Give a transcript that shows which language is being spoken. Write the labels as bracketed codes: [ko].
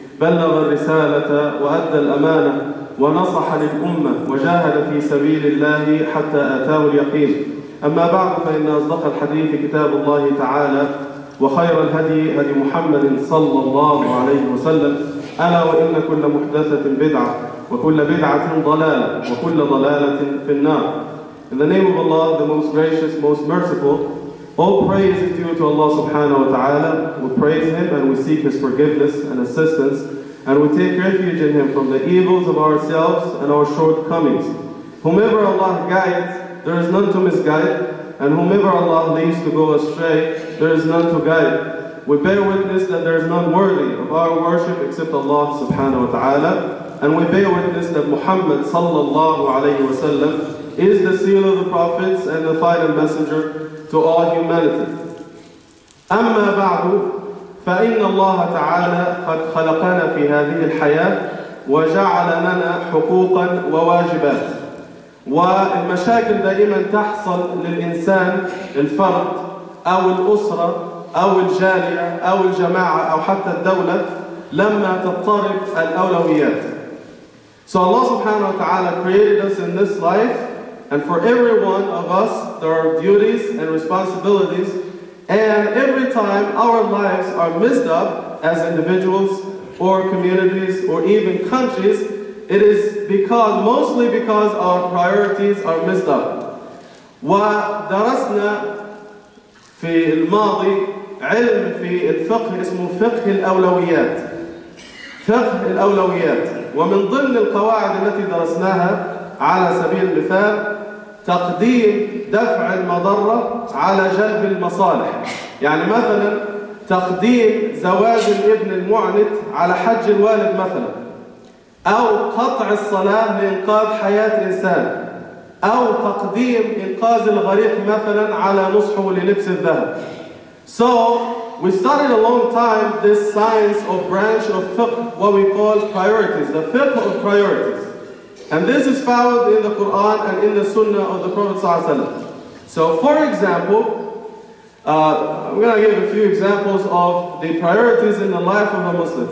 [ar] بلغ الرسالة وأدى الأمانة ونصح للأمة وجاهد في سبيل الله حتى أتاه اليقين. أما بعد، فإن أصدق الحديث كتاب الله تعالى وخير الهدي هدي محمد صلى الله عليه وسلم، ألا وإن كل محدثة بدعة وكل بدعة ضلالة وكل ضلالة في النار. [en] In the name of Allah, the most gracious, most merciful, all praise is due to Allah subhanahu wa ta'ala. We praise Him and we seek His forgiveness and assistance, and we take refuge in Him from the evils of ourselves and our shortcomings. Whomever Allah guides, there is none to misguide, and whomever Allah leaves to go astray, there is none to guide. We bear witness that there is none worthy of our worship except Allah subhanahu wa ta'ala, and we bear witness that Muhammad sallallahu alayhi wa sallam is the seal of the prophets and the final messenger to all humanity. [ar] أما بعد، فإن الله تعالى قد خلقنا في هذه الحياة وجعل لنا حقوقا وواجبات. والمشاكل دائما تحصل للإنسان الفرد أو الأسرة أو الجالية أو الجماعة أو حتى الدولة لما تضطرب الأولويات. [en] So Allah subhanahu wa ta'ala created us in this life, and for every one of us, there are duties and responsibilities. And every time our lives are messed up as individuals or communities or even countries, it is because mostly because our priorities are messed up. [ar] ودرسنا في الماضي علم في الفقه اسمه فقه الأولويات. فقه الأولويات. ومن ضمن القواعد التي درسناها على سبيل المثال تقديم دفع المضرة على جلب المصالح. يعني مثلا تقديم زواج الابن المعنت على حج الوالد مثلا، أو قطع الصلاة لإنقاذ حياة إنسان، أو تقديم إنقاذ الغريق مثلا على نصحه للبس الذهب. [en] So we studied a long time this science or branch of fiqh, what we call priorities, the fiqh of priorities. And this is found in the Quran and in the Sunnah of the Prophet Sallallahu Alaihi Wasallam. So for example, I'm going to give a few examples of the priorities in the life of a Muslim.